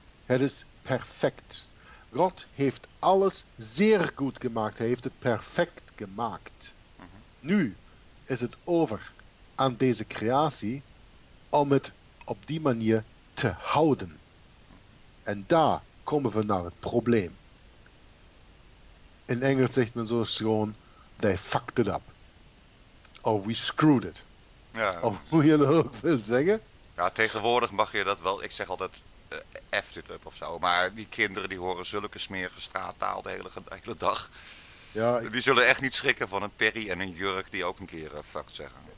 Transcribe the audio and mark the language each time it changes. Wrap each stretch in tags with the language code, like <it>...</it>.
<nl>Het is perfect. God heeft alles zeer goed gemaakt, hij heeft het perfect gemaakt. Mm-hmm. Nu is het over aan deze creatie om het op die manier te houden. En daar komen we naar het probleem. In Engels zegt men zo schoon,</nl> <en>they fucked it up. Or we screwed it.</en> <nl>Ja, of hoe je dat ook wil zeggen. Ja, tegenwoordig mag je dat wel. Ik zeg altijd,</nl> <en>effed it up</en> <nl>of zo. Maar die kinderen die horen zulke smerige straattaal de hele dag. Ja, die zullen echt niet schrikken van een perry en een jurk die ook een keer fucked zeggen.</nl>